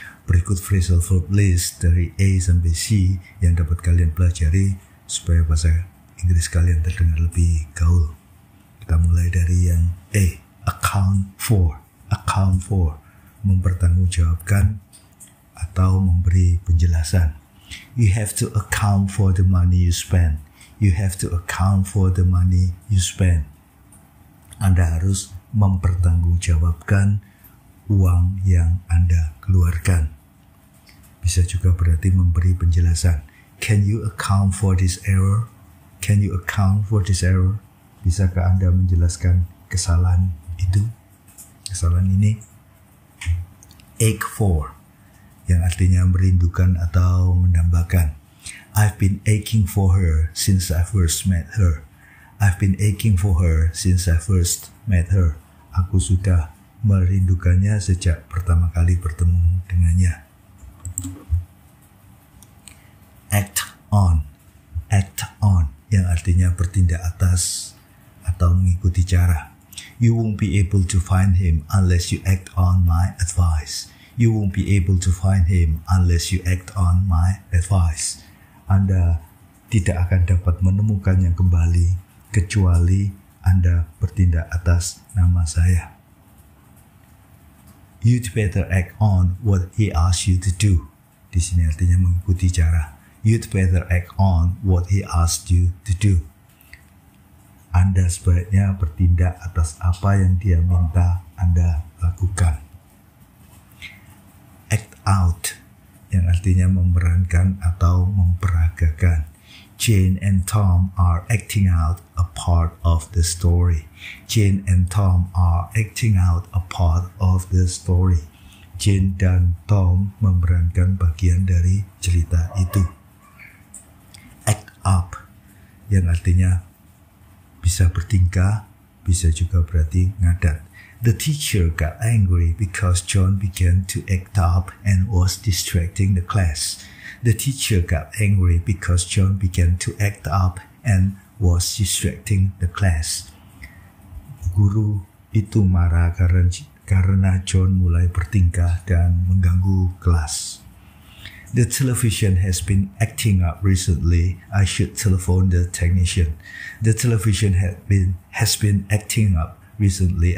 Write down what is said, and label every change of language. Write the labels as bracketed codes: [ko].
[id] Berikut phrasal verb list dari A sampai C yang dapat kalian pelajari supaya bahasa Inggris kalian terdengar lebih gaul. Kita mulai dari yang A, account for, mempertanggungjawabkan atau memberi penjelasan. [en] You have to account for the money you spend. You have to account for the money you spend. [id] Anda harus mempertanggungjawabkan uang yang Anda keluarkan. Bisa juga berarti memberi penjelasan. [en] Can you account for this error? Can you account for this error? [id] Bisakah Anda menjelaskan kesalahan itu? Kesalahan ini? Ache for, yang artinya merindukan atau mendambakan. [en] I've been aching for her since I first met her. I've been aching for her since I first met her. [id] Aku sudah merindukannya sejak pertama kali bertemu dengannya. Act on, yang artinya bertindak atas atau mengikuti cara. [en] You won't be able to find him unless you act on my advice. You won't be able to find him unless you act on my advice. [id] Anda tidak akan dapat menemukannya kembali kecuali Anda bertindak atas nama saya. [en] You'd better act on what he asks you to do. [id] Di sini artinya mengikuti cara. [en] You'd better act on what he asked you to do. [id] Anda sebaiknya bertindak atas apa yang dia minta Anda lakukan. Act out, yang artinya memerankan atau memperagakan. [en] Jane and Tom are acting out a part of the story. Jane and Tom are acting out a part of the story. [id] Jane dan Tom memerankan bagian dari cerita itu. Act up, yang artinya bisa bertingkah, bisa juga berarti ngadat. [en] The teacher got angry because John began to act up and was distracting the class. The teacher got angry because John began to act up and was distracting the class. [id] Guru itu marah karena John mulai bertingkah dan mengganggu kelas. [en] The television has been acting up recently. I should telephone the technician. The television has been acting up recently.